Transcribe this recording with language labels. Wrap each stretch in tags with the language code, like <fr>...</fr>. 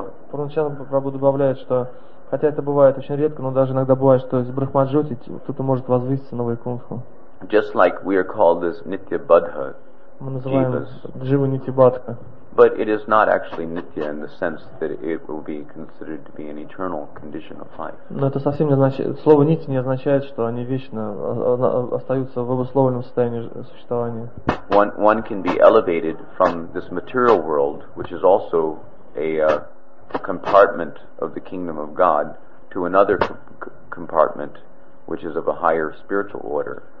<ru>Пруначан Прабху добавляет, что хотя это бывает очень редко, но даже иногда бывает, что из Брахмаджоти кто-то может возвыситься на Вайкунтху.</ru> <en>Just like we are called this Nitya Badha,</en> <ru>мы называем Джива Нитибадха.</ru> <en>But it is not actually Nitya in the sense that it will be considered to be an eternal condition of life.</en> <ru>Но это совсем не означает, слово Нити не означает, что они вечно остаются в обусловленном состоянии существования.</ru> <en>One can be elevated from this material world, which is also a compartment of the kingdom of God, to another compartment which is of a higher spiritual order.</en>